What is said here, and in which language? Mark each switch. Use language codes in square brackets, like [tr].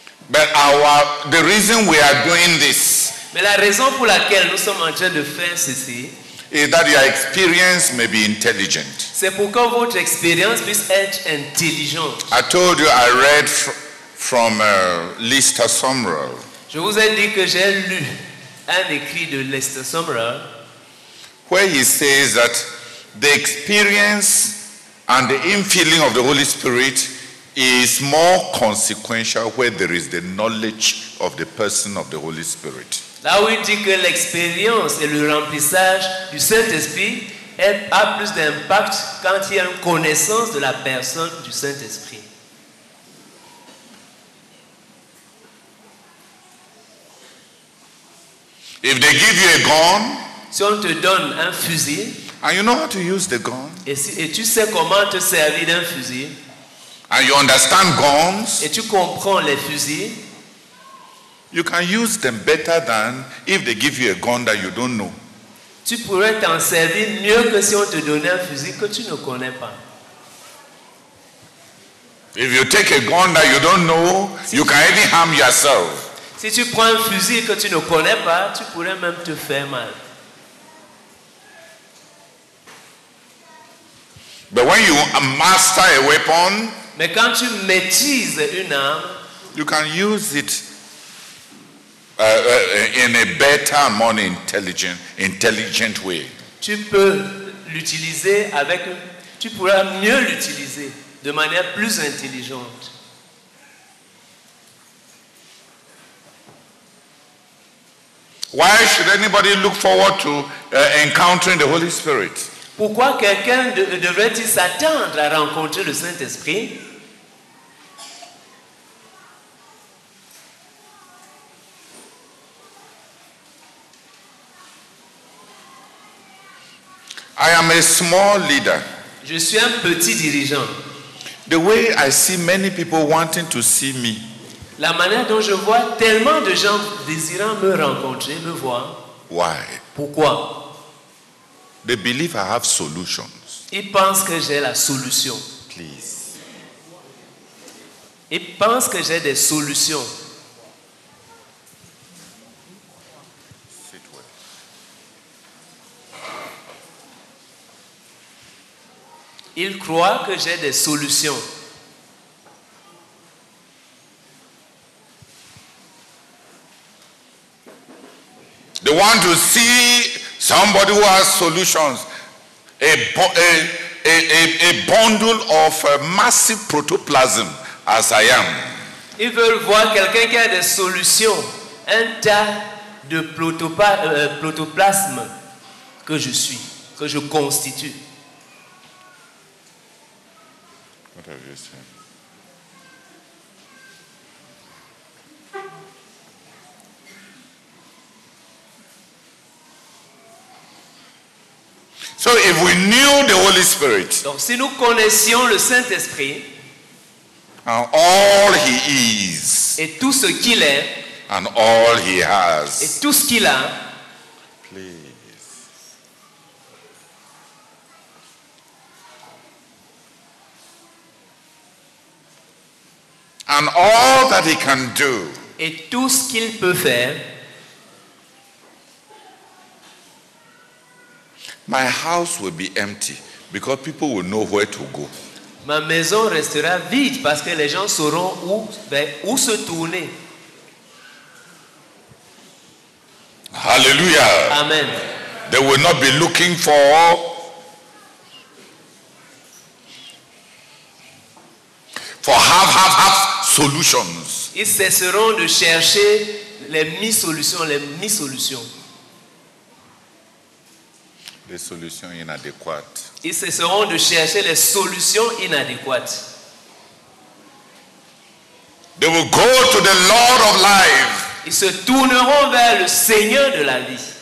[en] But the reason we are doing this, [fr] mais la raison pour laquelle nous sommes en train de faire ceci, [en] is that your experience may be intelligent. [fr] C'est pour que votre expérience puisse être intelligente. [en] I told you I read from Lester Sumrall. [fr] Je vous ai dit que j'ai lu un écrit de Lester Sumrall, [en] where he says that the experience and the infilling of the Holy Spirit is more consequential where there is the knowledge of the person of the Holy Spirit. [fr] Là où il dit que l'expérience et le remplissage du Saint-Esprit a plus d'impact quand il y a une connaissance de la personne du Saint-Esprit. [en] If they give you a gun, [fr] si on te donne un fusil, [en] and you know how to use the gun, [fr] et tu sais comment te servir d'un fusil, [en] and you understand guns, [fr] et tu comprends les fusils, [en] you can use them better than if they give you a gun that you don't know. [fr] Tu pourrais t'en servir mieux que si on te donnait un fusil que tu ne connais pas. [en] If you take a gun that you don't know, you can even harm yourself. [fr] Si tu prends un fusil que tu ne connais pas, tu pourrais même te faire mal. [en] But when you master a weapon, [fr] mais quand tu maîtrises une arme, [en] you can use it in a better, more intelligent way. [fr] Tu peux l'utiliser avec, tu pourras mieux l'utiliser de manière plus intelligente. [en] Why should anybody look forward to encountering the Holy Spirit? [fr] Pourquoi quelqu'un devrait-il s'attendre à rencontrer le Saint-Esprit? [en] I am a small leader. [fr] Je suis un petit dirigeant. [en] The way I see many people wanting to see me. [fr] La manière dont je vois tellement de gens désirant me rencontrer, me voir. [en] Why? [fr] Pourquoi? [en] They believe I have solutions. [fr] Ils pensent que j'ai la solution. [en] Please. [fr] Ils pensent que j'ai des solutions. Ils croient que j'ai des solutions. [en] They want to see somebody who has solutions, a bundle of massive protoplasm, as I am. [fr] Ils veulent voir quelqu'un qui a des solutions, un tas de protoplasme que je suis, que je constitue. [en] What have you said? So if we knew the Holy Spirit, [fr] donc si nous connaissions le Saint-Esprit, [en] and all he is, [fr] et tout ce qu'il est, [en] and all he has, [fr] et tout ce qu'il a, [en] please. And all that he can do, [fr] et tout ce qu'il peut faire. [en] My house will be empty because people will know where to go. [fr] Ma maison restera vide parce que les gens sauront où, ben, où se tourner. [en] Hallelujah. Amen. They will not be looking for. For half solutions. [fr] Ils cesseront de chercher les mi-solutions, les mi-solutions. Les solutions inadéquates. Ils cesseront de chercher les solutions inadéquates. [en] They will go to the Lord of life. [fr] Ils se tourneront vers le Seigneur de la vie.